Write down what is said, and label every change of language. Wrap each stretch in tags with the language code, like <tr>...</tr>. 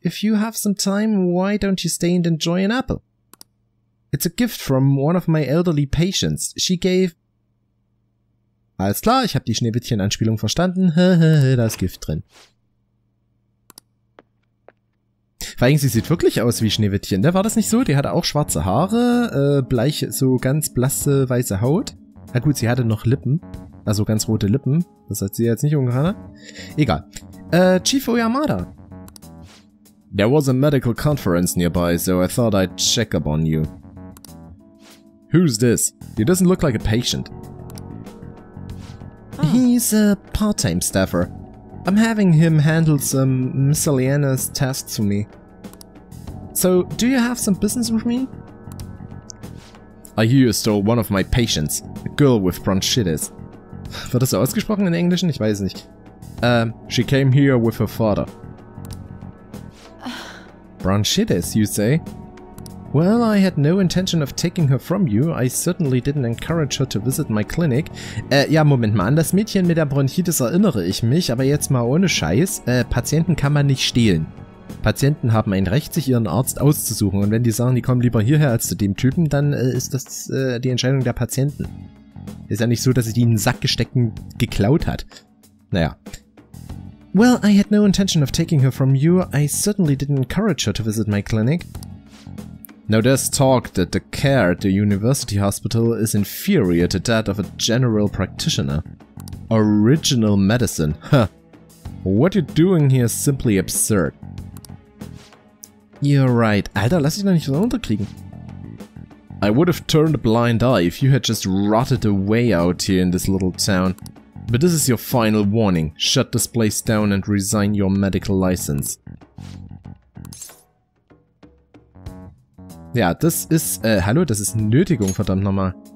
<en>If you have some time, why don't you stay and enjoy an apple? It's a gift from one of my elderly patients. She gave...</en> <de>Alles klar, ich habe die Schneewittchen-Anspielung verstanden. Da ist Gift drin. Vor allem, sie sieht wirklich aus wie Schneewittchen. War das nicht so? Die hatte auch schwarze Haare, bleiche, so ganz blasse, weiße Haut. Na gut, sie hatte noch Lippen. Also ganz rote Lippen. Das hat sie jetzt nicht umgehört. Egal. Chief Oyamada.</de> <en>There was a medical conference nearby, so I thought I'd check up on you. Who's this? He doesn't look like a patient. He's a part-time staffer. I'm having him handle some miscellaneous tasks for me. So, do you have some business with me? I hear you stole one of my patients, a girl with bronchitis.</en> <de>Wird das so ausgesprochen in Englisch? Ich weiß nicht.</de> <en>She came here with her father. Bronchitis, you say? Well, I had no intention of taking her from you. I certainly didn't encourage her to visit my clinic.</en> <de>Moment mal, an das Mädchen mit der Bronchitis erinnere ich mich, aber jetzt mal ohne Scheiß. Patienten kann man nicht stehlen. Patienten haben ein Recht, sich ihren Arzt auszusuchen. Und wenn die sagen, die kommen lieber hierher als zu dem Typen, dann ist das die Entscheidung der Patienten. Ist ja nicht so, dass sie die in den Sack gesteckt geklaut hat. Naja.</de> <en>Well, I had no intention of taking her from you. I certainly didn't encourage her to visit my clinic. Now there's talk that the care at the university hospital is inferior to that of a general practitioner. Original medicine, huh. What you're doing here is simply absurd. You're right.</en> <de>Alter, lass dich doch nicht so runterkriegen.</de> <en>I would have turned a blind eye if you had just rotted away out here in this little town. But this is your final warning. Shut this place down and resign your medical license.</en> <de>Ja, das ist, hallo, das ist Nötigung, verdammt nochmal.</de>